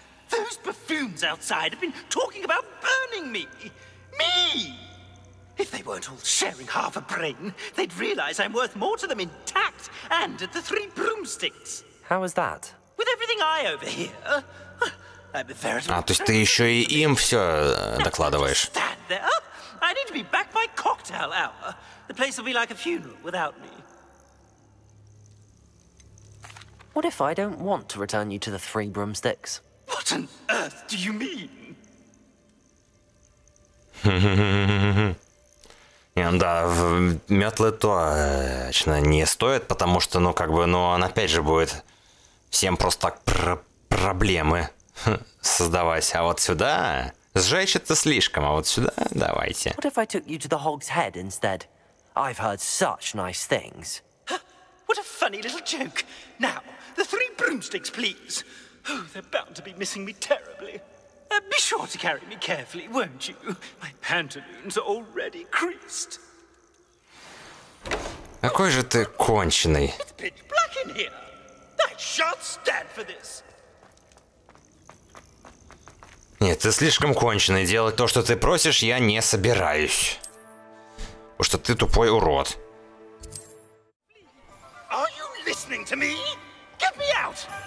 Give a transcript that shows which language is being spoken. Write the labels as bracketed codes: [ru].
[en] Those perfumes outside have been talking about burning me. Me! If they weren't all sharing half a brain, they'd realize I'm worth more to them intact and at the three broomsticks. How is that? With everything I overhear, I'm a veritable... [ru] А, то есть ты еще и им все докладываешь. [en] Now, stand there. I need to be back by cocktail hour. The place will be like a funeral without me. What if I don't want to return you to the three broomsticks? What on earth do you mean? [ru] Не, ну да, метлы точно не стоит, потому что, ну как бы, ну он опять же будет всем просто так проблемы создавать. А вот сюда сжечь это слишком, а вот сюда давайте. [en] What if I took you to the Hog's Head instead? I've heard such nice things. What a funny little joke. Now, the three broomsticks, please. Oh, they're bound to be missing me terribly. Be sure to carry me carefully, won't you? My pantaloons are already creased. [ru] Какой же ты конченый. [en] It's pitch black in here. I shan't stand for this. [ru] Нет, ты слишком конченый. Делать то, что ты просишь, я не собираюсь. Потому что ты тупой урод. [en] Are you listening to me? Get me out!